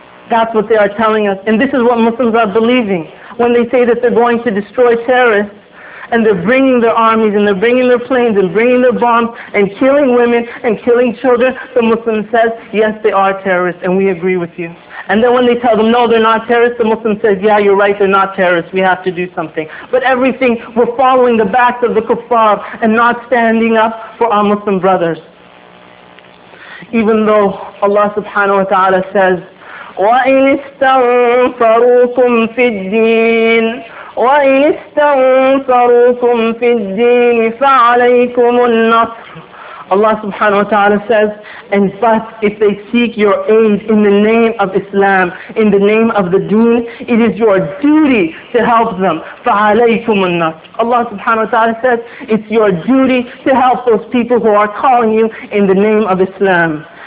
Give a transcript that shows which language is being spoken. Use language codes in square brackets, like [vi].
[en] That's what they are telling us. And this is what Muslims are believing. When they say that they're going to destroy terrorists, and they're bringing their armies, and they're bringing their planes, and bringing their bombs, and killing women, and killing children, the Muslim says, yes, they are terrorists, and we agree with you. And then when they tell them, no, they're not terrorists, the Muslim says, yeah, you're right, they're not terrorists, we have to do something. But everything, we're following the backs of the kuffar, and not standing up for our Muslim brothers. Even though Allah subhanahu wa ta'ala says, [ar] وَإِنِ اسْتَنْفَرُوكُمْ فِي الدِّينِ وَإِنْ اسْتَنْصَرُوكُمْ فِي الدِّينِ فَعَلَيْكُمُ النَّصْرُ. [en] Allah subhanahu wa ta'ala says, and but if they seek your aid in the name of Islam, in the name of the deen, it is your duty to help them. [ar] فَعَلَيْكُمُ النَّصْرُ. [en] Allah subhanahu wa ta'ala says, it's your duty to help those people who are calling you in the name of Islam.